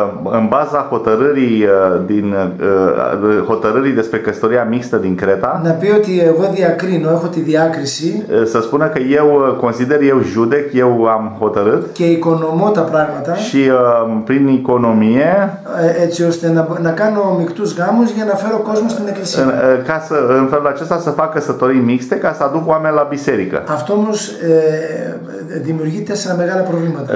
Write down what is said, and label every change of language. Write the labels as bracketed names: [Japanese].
[Romanian] În baza hotărârii despre căsătoria mixtă din Creta. [Greek] Να πει ότι εγώ διακρίνω, έχω τη διάκριση. [Romanian] Să spună că eu consider, eu judec, eu am hotărât [Greek] και οικονομώ τα πράγματα [Romanian] și prin οικονομία [Greek] έτσι ώστε να κάνω μεικτούς γάμους για να φέρω κόσμο στην εκκλησία. [Romanian] În felul acesta să fac căsătorii mixte ca să aduc oameni la biserică. [Greek] Αυτό όμως δημιουργεί τέσσερα μεγάλα προβλήματα.